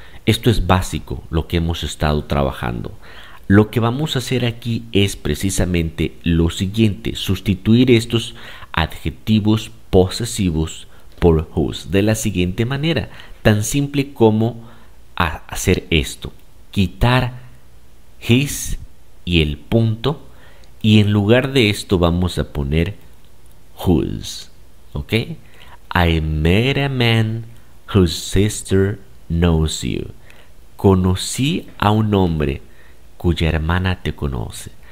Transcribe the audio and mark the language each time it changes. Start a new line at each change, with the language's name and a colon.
Spanish: Esto es básico, lo que hemos estado trabajando. Lo que vamos a hacer aquí es precisamente lo siguiente, sustituir estos adjetivos posesivos por whose, de la siguiente manera, tan simple como hacer esto, quitar his y el punto, y en lugar de esto vamos a poner whose, ¿ok?
English: I met a man whose sister knows you.
Spanish: Conocí a un hombre cuya hermana te conoce.